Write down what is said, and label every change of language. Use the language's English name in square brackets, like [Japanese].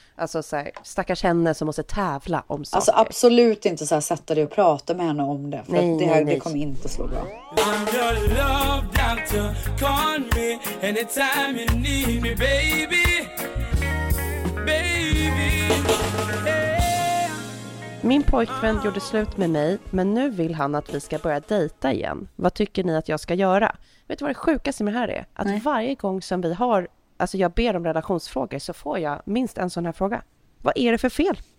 [Swedish] Alltså, så här, stackars henne som måste tävla om saker. Alltså absolut inte så här, sätta dig och prata med henne om det. För nej, det, nej, det kommer inte slå bra. [English] I'm your love doctor, call me anytime you need me, baby. Baby. [Swedish] Min pojkvän gjorde slut med mig, men nu vill han att vi ska börja dejta igen. Vad tycker ni att jag ska göra? Vet du vad det sjukaste med det här är? Att nej, varje gång som vi har, alltså jag ber om relationsfrågor, så får jag minst en sån här fråga. Vad är det för fel?